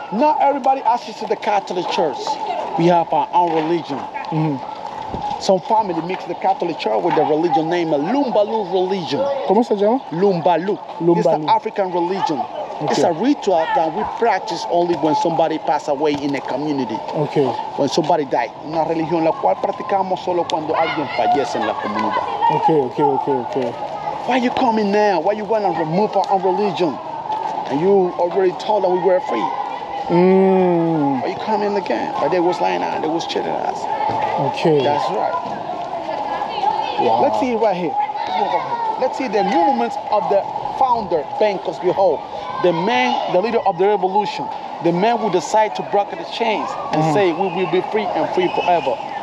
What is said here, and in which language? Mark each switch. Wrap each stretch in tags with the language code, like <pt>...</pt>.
<en>Not everybody asks to the Catholic Church. We have our own religion. Mm-hmm. Some family mix the Catholic Church with the religion name Lumbalu religion.</en> <es>¿Cómo se llama?</es> <en>Lumbalu. Lumbalu. It's an African religion. Okay. It's a ritual that we practice only when somebody pass away in a community. Okay. When somebody die.</en> <es>Una religión la cual practicamos solo cuando alguien fallece en la comunidad.</es> <en>Okay. Why you coming now? Why you want to remove our own religion? And you already told that we were free. Are you coming again? But they was lying out, they was cheating us. Okay. That's right. Wow. Let's see right here. Let's see the monuments of the founder, Bankos Bihol, the man, the leader of the revolution, the man who decided to break the chains and say we will be free and free forever.</en>